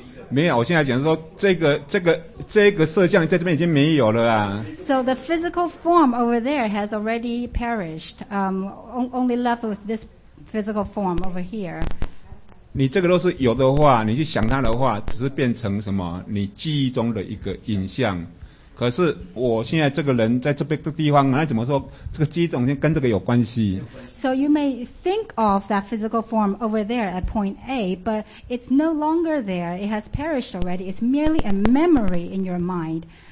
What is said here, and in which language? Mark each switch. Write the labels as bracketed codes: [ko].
[zh] 没有，我现在讲说这个色相在这边已经没有了啊。 [en] So the physical form over there has already perished. Only left with this physical form over here. [zh] 你这个都是有的话，你去想它的话，只是变成什么？你记忆中的一个影像。可是我现在这个人在这边的地方，那怎么说这个记忆中心跟这个有关系 [en] ？So you may think of that physical form over there at point A, but it's no longer there. It has perished already. It's merely a memory in your mind.